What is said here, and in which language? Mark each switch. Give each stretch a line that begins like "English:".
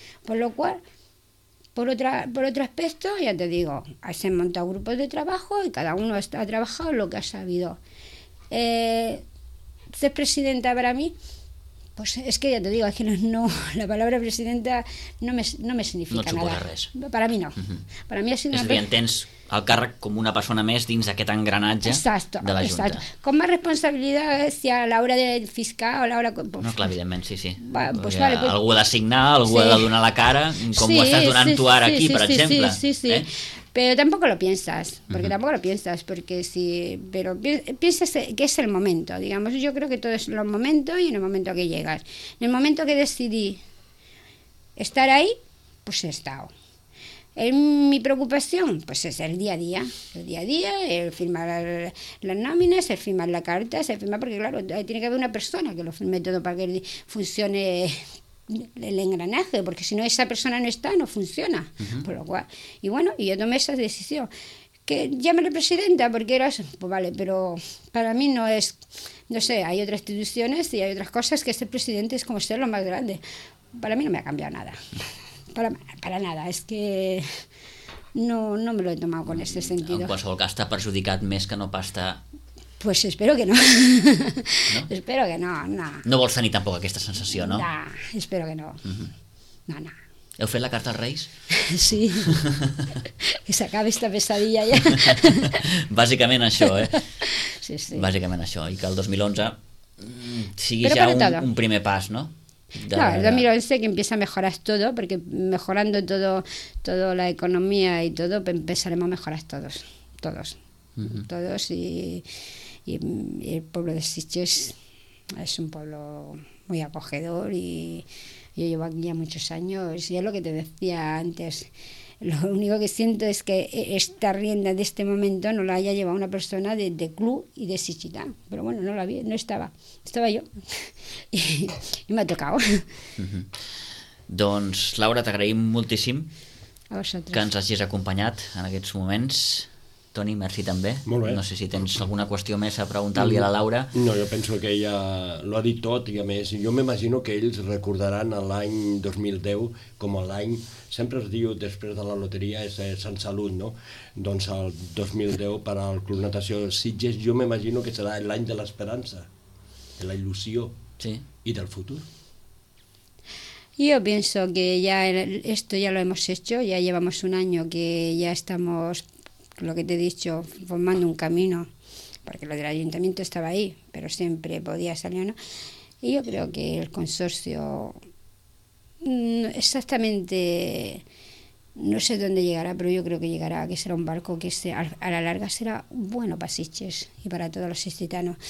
Spanish: Por lo cual, por otro aspecto, ya te digo, se han montado grupos de trabajo y cada uno ha trabajado lo que ha sabido. Ser presidenta para mí, pues es que ya te digo, es que no la palabra presidenta no me significa nada. No supone
Catalan: res.
Spanish: Para mí no. Uh-huh. Para mí ha sido una...
Catalan: És a dir, entens el càrrec com una persona més dins d'aquest engranatge.
Spanish: Exacto, de la Junta. Exacto.
Catalan: Com més responsabilitat si a l'hora del fiscal o a l'hora... Pues, no, clar, evidentment, sí, sí. Va, pues, o sigui, vale, pues, algú ha de signar, algú sí. ha de donar la cara, com sí, ho estàs donant sí, tu ara sí, aquí, sí, per sí, exemple. Sí, sí, sí. Eh?
Spanish: Pero tampoco lo piensas, porque uh-huh. tampoco lo piensas, porque si, pero piensas que es el momento, digamos, yo creo que todo es los momentos y en el momento que llegas. En el momento que decidí estar ahí, pues he estado. En mi preocupación, pues es el día a día, el firmar las nóminas, el firmar la carta, el firmar, porque claro, tiene que haber una persona que lo firme todo para que funcione el engranaje, porque si no esa persona no está, no funciona. Uh-huh. Por lo cual, y bueno, y yo tomé esa decisión. Que llámale presidenta, porque era, pues vale, pero para mí no es, no sé, hay otras instituciones y hay otras cosas que ser presidente es como ser lo más grande. Para mí no me ha cambiado nada. Para nada, es que no me lo he tomado con ese sentido.
Catalan: En qualsevol cas, t'ha perjudicat més que no pasta.
Spanish: Pues espero que no. No? Espero que no, no.
Catalan: No vols tenir tampoc aquesta sensació, no?
Spanish: No, espero que no. Uh-huh. No, no.
Catalan: Heu fet la carta als Reis? Sí. Que s'acabi
Spanish: esta pesadilla
Catalan: ja. Bàsicament això, eh? Sí, sí. Bàsicament això. I que el 2011 sigui però ja un primer pas, no? De...
Spanish: No, el 2011 que empieza a mejorar todo, porque mejorando todo la economía y todo, empezaremos a mejorar todos. Uh-huh. Todos y el pueblo de Sitges es un pueblo muy acogedor y yo llevo aquí ya muchos años y es lo que te decía antes, lo único que siento es que esta rienda de este momento no la haya llevado una persona de club y de Sitges, pero bueno, no la vi, no estaba, estaba yo y me ha tocado.
Catalan: Uh-huh. Doncs Laura, t'agraïm moltíssim a vosaltres que ens hagis acompanyat en aquests moments. Toni, merci també. Molt bé. No sé si tens alguna qüestió més a preguntar-li a la Laura. No, jo penso que ella ho ha dit tot i a més, jo m'imagino que ells recordaran l'any 2010 com l'any, sempre es diu després de la loteria, és Sant Salut, no? Doncs el 2010 per al Club Natació Sitges, jo m'imagino que serà l'any de l'esperança, de la il·lusió sí. i del futur.
Spanish: Yo pienso que ya esto ya lo hemos hecho, ya llevamos un año que ya estamos... lo que te he dicho, formando un camino, porque lo del ayuntamiento estaba ahí, pero siempre podía salir o no. Y yo creo que el consorcio, exactamente, no sé dónde llegará, pero yo creo que llegará, que será un barco que a la larga será bueno para Sitges y para todos los sitanos.